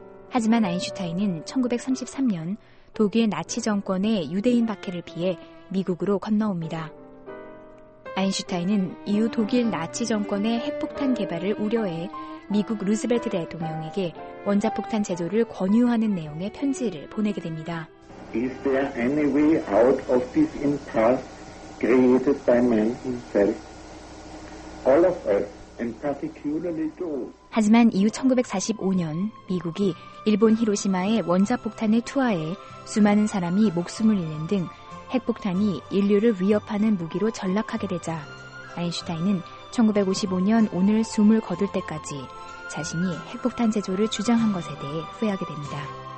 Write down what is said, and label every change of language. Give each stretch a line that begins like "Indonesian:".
Korean: 하지만 아인슈타인은 1933년 독일 나치 정권의 유대인 박해를 피해 미국으로 건너옵니다. 아인슈타인은 이후 독일 나치 정권의 핵폭탄 개발을 우려해 미국 루스벨트 대통령에게 원자폭탄 제조를 권유하는 내용의 편지를 보내게 됩니다.
English: Is there any way out of this impasse created by man himself? All of us, and particularly those.
Korean: 하지만 이후 1945년 미국이 일본 히로시마에 원자폭탄을 투하해 수많은 사람이 목숨을 잃는 등 핵폭탄이 인류를 위협하는 무기로 전락하게 되자 아인슈타인은 1955년 오늘 숨을 거둘 때까지 자신이 핵폭탄 제조를 주장한 것에 대해 후회하게 됩니다.